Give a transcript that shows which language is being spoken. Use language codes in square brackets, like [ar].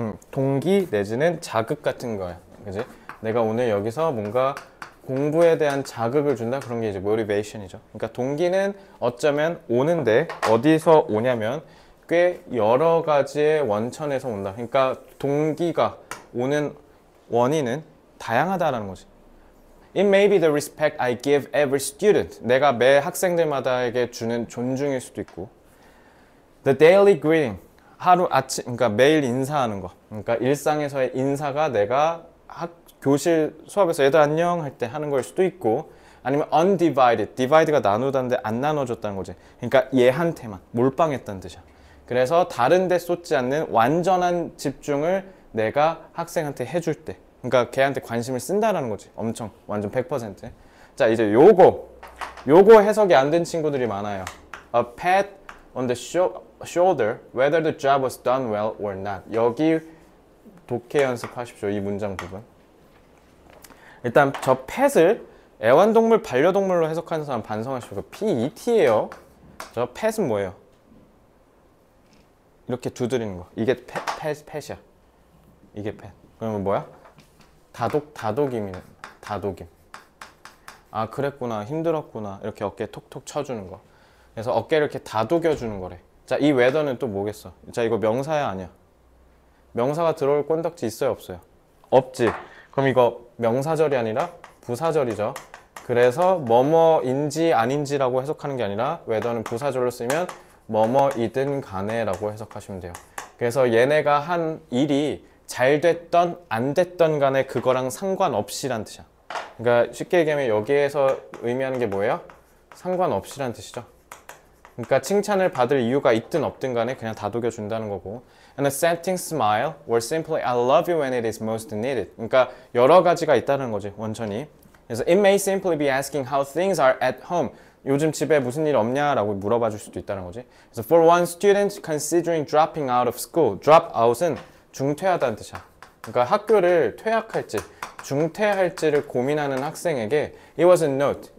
[ko] 동기 내지는 자극 같은 거야. 그지? 내가 오늘 여기서 뭔가 공부에 대한 자극을 준다? 그런 게 이제 motivation이죠. 그러니까 동기는 어쩌면 오는데 어디서 오냐면 꽤 여러 가지의 원천에서 온다. 그러니까 동기가 오는 원인은 다양하다라는 거지. [en] It may be the respect I give every student. [ko] 내가 매 학생들마다에게 주는 존중일 수도 있고. [en] The daily greeting. [ko] 하루 아침, 그러니까 매일 인사하는 거. 그러니까 일상에서의 인사가 내가 교실 수업에서 애들 안녕 할때 하는 걸 수도 있고. 아니면 undivided. divide가 나누다는데 안 나눠줬다는 거지. 그러니까 얘한테만 몰빵했다는 뜻이야. 그래서 다른 데 쏟지 않는 완전한 집중을 내가 학생한테 해줄 때. 그러니까 걔한테 관심을 쓴다라는 거지. 엄청. 완전 100%. 자, 이제 요거. 요거 해석이 안된 친구들이 많아요. [en] A pat on the shoulder, whether the job was done well or not. [ko] 여기 독해 연습하십시오. 이 문장 부분. 일단 저 pat을 애완동물, 반려동물로 해석하는 사람 반성하십시오. PET예요. 저 pat은 뭐예요? 이렇게 두드리는 거. 이게 팻이야. 이게 팻. 그러면 뭐야? 다독임이네. 다독임. 아, 그랬구나. 힘들었구나. 이렇게 어깨 톡톡 쳐주는 거. 그래서 어깨를 이렇게 다독여주는 거래. 자, 이 웨더는 또 뭐겠어? 자, 이거 명사야, 아니야? 명사가 들어올 꼰덕지 있어요, 없어요? 없지. 그럼 이거 명사절이 아니라 부사절이죠. 그래서 뭐뭐인지 아닌지라고 해석하는 게 아니라 웨더는 부사절로 쓰면 뭐뭐이든 간에라고 해석하시면 돼요. 그래서 얘네가 한 일이 잘 됐던 안 됐던 간에 그거랑 상관없이란 뜻이야. 그러니까 쉽게 얘기하면 여기에서 의미하는 게 뭐예요? 상관없이란 뜻이죠. 그러니까 칭찬을 받을 이유가 있든 없든 간에 그냥 다독여 준다는 거고. [en] An accepting smile or simply I love you when it is most needed. [ko] 그러니까 여러 가지가 있다는 거지, 원천이. [en] 그래서 it may simply be asking how things are at home. [ko] 요즘 집에 무슨 일 없냐라고 물어봐 줄 수도 있다는 거지. [en] 그래서 for one student considering dropping out of school. drop out은 [ko] 중퇴하다는 뜻이야. 그러니까 학교를 퇴학할지 중퇴할지를 고민하는 학생에게 [en] it was a note.